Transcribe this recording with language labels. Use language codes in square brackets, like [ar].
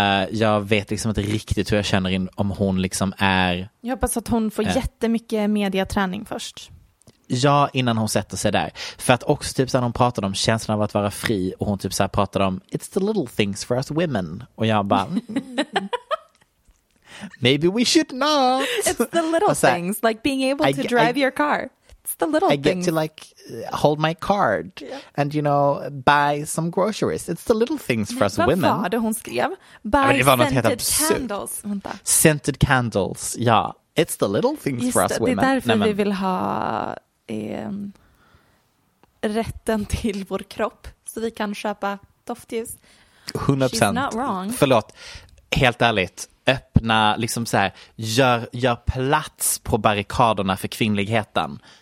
[sv] Jag vet liksom inte riktigt hur jag känner in om hon liksom är... Jag hoppas att hon får jättemycket mediaträning först. Ja, innan hon sätter sig där. För att också typ så här, hon pratade om känslan av att vara fri och hon typ så här pratade om [en] it's the little things for us women. [sv] Och jag bara... [en] Maybe we should not. It's the little här, things, like being able to drive your car. It's the little things. I get to like hold my card and you know buy some groceries. It's the little things for us women. [sv] Vad hon skrev? [en] Buy scented candles. [sv] Vänta. [en] Scented candles. Ja, it's the little things just for us women. [sv] Det är därför vi vill ha rätten till vår kropp så vi kan köpa doftljus. 100%. [en] She's not wrong. [sv] Förlåt. Helt ärligt. Öppna liksom så här, gör plats på barrikaderna för kvinnligheten.